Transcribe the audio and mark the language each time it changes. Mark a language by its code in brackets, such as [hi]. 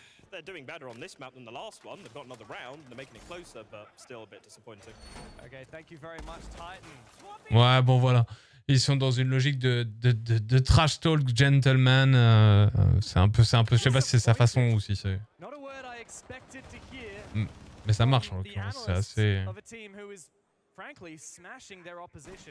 [en] They're doing better on this map than the last one. They've got another round. They're making it closer, but still a bit disappointing. Okay, thank you very much, Titan. [fr] Ouais, bon voilà. Ils sont dans une logique de trash talk gentleman. C'est un peu. Je sais pas si c'est sa façon ou si c'est. [en] Not a word I expected to hear. [fr] Mais ça marche en l'occurrence. C'est assez. [en] Of a team who is, frankly, smashing their opposition.